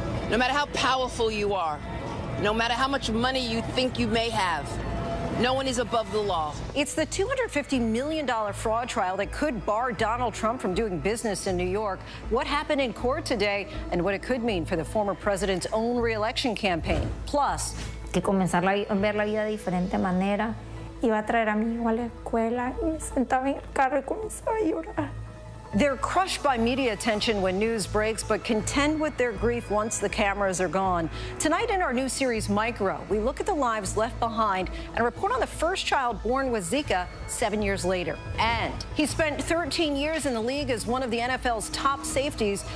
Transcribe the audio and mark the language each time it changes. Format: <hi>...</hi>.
<en>No matter how powerful you are, no matter how much money you think you may have, no one is above the law. It's the $250 million fraud trial that could bar Donald Trump from doing business in New York. What happened in court today and what it could mean for the former president's own re-election campaign. Plus,</en> <es>que comenzar a ver la vida de diferente manera. Iba a traer a mi hijo a la escuela y me sentaba en el carro y comenzaba a llorar.</es> <en>They're crushed by media attention when news breaks, but contend with their grief once the cameras are gone. Tonight in our new series, Micro, we look at the lives left behind and report on the first child born with Zika 7 years later. And he spent 13 years in the league as one of the NFL's top safeties.</en>